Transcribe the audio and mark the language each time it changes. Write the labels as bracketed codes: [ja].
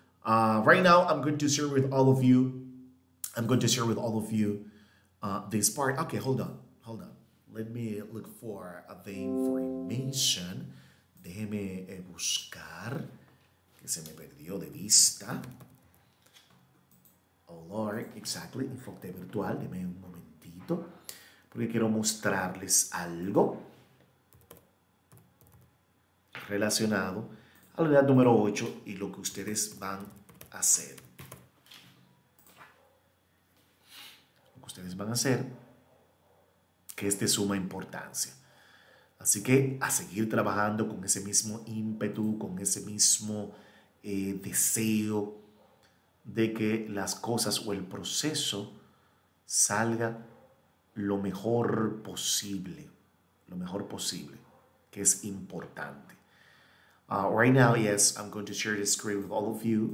[en] Right now, I'm going to share with all of you. I'm going to share with all of you this part. Okay, hold on, hold on. Let me look for the information. [es] Déjeme buscar, que se me perdió de vista. [en] Oh, Lord, exactly, [es] enfoque virtual. Déjeme un momentito, porque quiero mostrarles algo relacionado a la unidad número 8 y lo que ustedes van a hacer. Ustedes van a hacer que es de suma importancia. Así que a seguir trabajando con ese mismo ímpetu, con ese mismo deseo de que las cosas o el proceso salga lo mejor posible, lo mejor posible, que es importante. [en] Right now, yes, I'm going to share the screen with all of you.